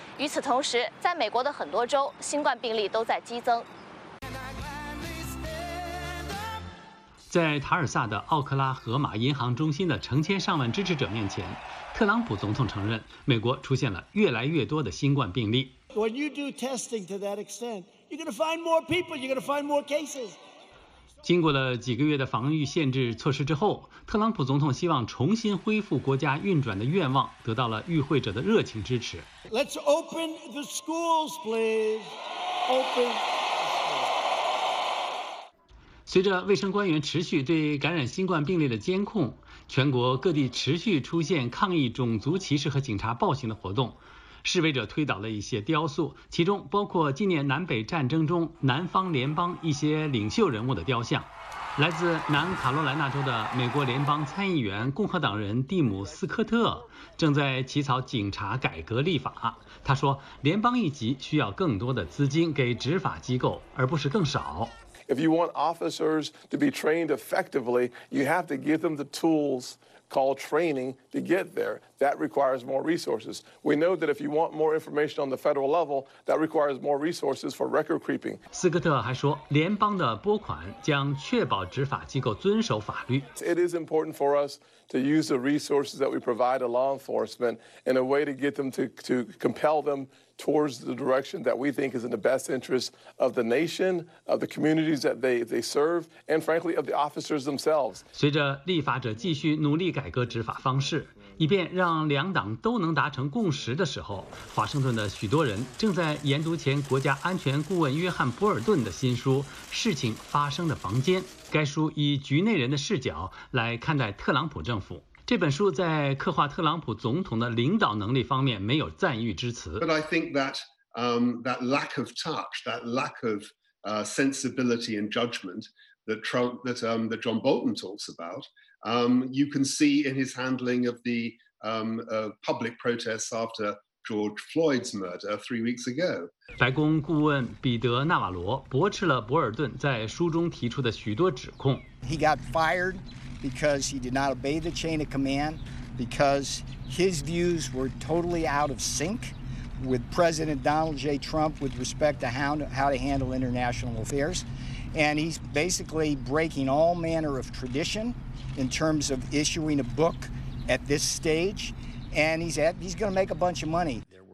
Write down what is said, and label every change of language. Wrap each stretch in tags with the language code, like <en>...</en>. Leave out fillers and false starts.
<zh>与此同时，在美国的很多州，新冠病例都在激增。在塔尔萨的奥克拉荷马银行中心的成千上万支持者面前，特朗普总统承认，美国出现了越来越多的新冠病例。</zh> <en>When you do testing to that extent, you're going to find more people. You're going to find more cases.</en> <zh>经过了几个月的防御限制措施之后，特朗普总统希望重新恢复国家运转的愿望得到了与会者的热情支持。</zh> <en>Let's open the schools, please. Open.</en> <zh>随着卫生官员持续对感染新冠病例的监控，全国各地持续出现抗议种族歧视和警察暴行的活动。示威者推倒了一些雕塑，其中包括纪念南北战争中南方联邦一些领袖人物的雕像。来自南卡罗来纳州的美国联邦参议员共和党人蒂姆·斯科特正在起草警察改革立法。他说，联邦一级需要更多的资金给执法机构，而不是更少。</zh> <en>If you want officers to be trained effectively, you have to give them the tools. Called training to get there. That requires more resources. We know that if you want more information on the federal level, that requires more resources for record keeping.</en> <zh>斯科特还说，联邦的拨款将确保执法机构遵守法律。</zh> <en>It is important for us to use the resources that we provide to law enforcement in a way to get them to compel them towards the direction that we think is in the best interest of the nation, of the communities that they serve, and frankly, of the officers themselves.</en> <zh>随着立法者继续努力改革执法方式，以便让两党都能达成共识的时候，华盛顿的许多人正在研读前国家安全顾问约翰·博尔顿的新书《事情发生的房间》。该书以局内人的视角来看待特朗普政府。这本书在刻画特朗普总统的领导能力方面没有赞誉之词。</zh> <en>But I think that, that lack of touch, that lack of, sensibility and judgment that Trump, that, that John Bolton talks about, you can see in his handling of the, public protests after George Floyd's murder 3 weeks ago.</en> <zh>白宫顾问彼得·纳瓦罗驳斥了博尔顿在书中提出的许多指控。</zh> <en>He got fired. Because he did not obey the chain of command, because his views were totally out of sync with President Donald J. Trump with respect to how to handle international affairs. And he's basically breaking all manner of tradition in terms of issuing a book at this stage. And he's going to make a bunch of money.</en>